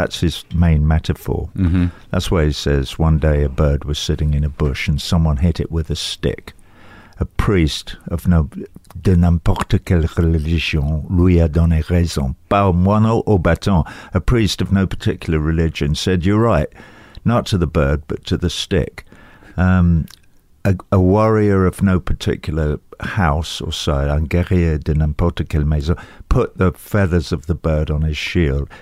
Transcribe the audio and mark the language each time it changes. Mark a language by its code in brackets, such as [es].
[en] That's his main metaphor. Mm-hmm. That's why he says, one day a bird was sitting in a bush and someone hit it with a stick. A priest of no... [fr] de n'importe quelle religion lui a donné raison. Pas moineau au bâton. [en] A priest of no particular religion said, you're right, not to the bird, but to the stick. A warrior of no particular house or side, [fr] un guerrier de n'importe quelle maison, [en] put the feathers of the bird on his shield.